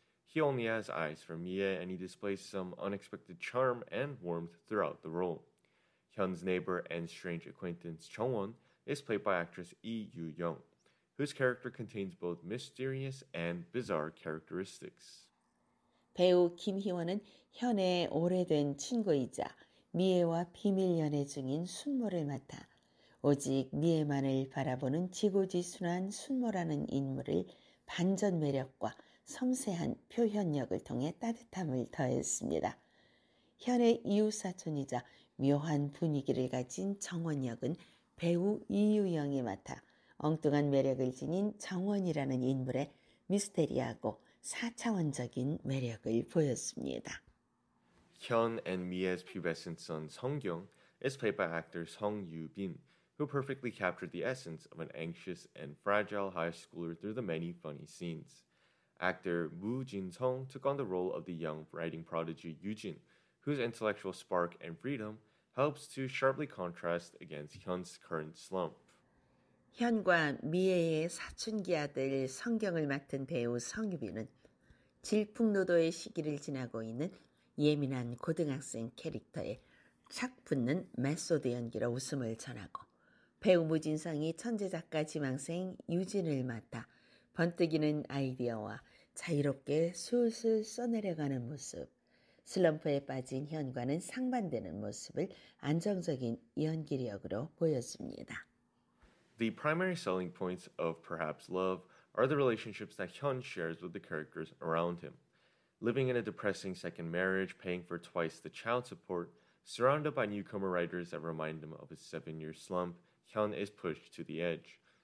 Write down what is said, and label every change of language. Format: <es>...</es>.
<en>He only has eyes for Mi-ae and he displays some unexpected charm and warmth throughout the role. Hyun's neighbor and strange acquaintance, Chung-won, is played by actress Lee Yoo-young. whose character contains both mysterious and bizarre characteristics.</en> <ko>배우 김희원은 현의 오래된 친구이자 미애와 비밀 연애 중인 순모를 맡아 오직 미애만을 바라보는 지고지순한 순모라는 인물을 반전 매력과 섬세한 표현력을 통해 따뜻함을 더했습니다. 현의 이웃사촌이자 묘한 분위기를 가진 정원 역은 배우 이유영이 맡아 엉뚱한 매력을 지닌 정원이라는 인물의 미스테리하고 4차원적인 매력을 보였습니다.</ko> <en>Hyun and Mi-ae's pubescent son Seong-kyung is played by actor Song Yoo-bin, who perfectly captured the essence of an anxious and fragile high schooler through the many funny scenes. Actor Woo Jin-sung took on the role of the young writing prodigy Yoo-jin, whose intellectual spark and freedom helps to sharply contrast against Hyun's current slump.</en> <ko>현과 미애의 사춘기 아들 성경을 맡은 배우 성유빈은 질풍노도의 시기를 지나고 있는 예민한 고등학생 캐릭터에 착붙는 메소드 연기로 웃음을 전하고 배우 무진성이 천재작가 지망생 유진을 맡아 번뜩이는 아이디어와 자유롭게 술술 써내려가는 모습, 슬럼프에 빠진 현과는 상반되는 모습을 안정적인 연기력으로 보여줍니다.</ko> <en>The primary selling points of Perhaps Love are the relationships that Hyun shares with the characters around him. living in a depressing second marriage, paying for twice the child support, surrounded by newcomer writers that remind him of his 7-year slump, Hyun is pushed to the edge.</en>